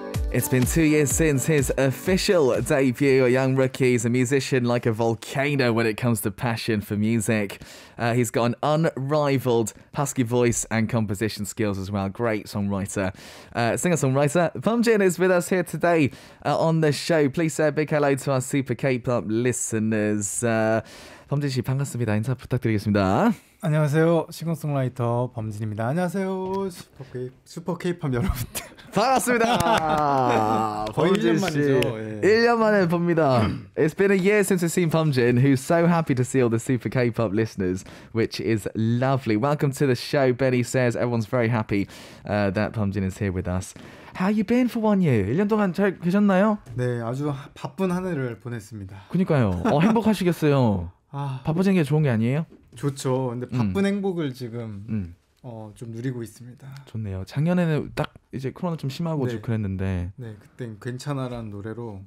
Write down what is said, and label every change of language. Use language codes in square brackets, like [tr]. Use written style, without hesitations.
[en] It's been 2 years since his official debut. A young rookie, he's a musician like a volcano when it comes to passion for music. He's got an unrivaled husky voice and composition skills as well. Great songwriter. Singer-songwriter Pumjin is with us here today on the show. Please say a big hello to our Super K-pop listeners. Pumjin 씨, [ko] 반갑습니다. 인사 부탁드리겠습니다. 안녕하세요. 싱어송라이터 범진입니다. 안녕하세요. 슈퍼 케이팝 여러분들. 반갑습니다. 거의 범진 1년 씨. 만이죠. 예. 1년 만에 봅니다. [en] It's been a year since we've seen 범진, who's so happy to see all the Super K-pop listeners, which is lovely. Welcome to the show. Benny says everyone's very happy that 범진 is here with us. How you been for 1 year? [ko] 1년 동안 잘 계셨나요? 네, 아주 바쁜 한 해를 보냈습니다. 그러니까요. 행복하시겠어요. 바쁘신 게 좋은 게 아니에요? 좋죠. 근데 바쁜 행복을 지금 좀 누리고 있습니다. 좋네요. 작년에는 딱 이제 코로나 좀 심하고 좀 그랬는데. 네, 그때 괜찮아라는 노래로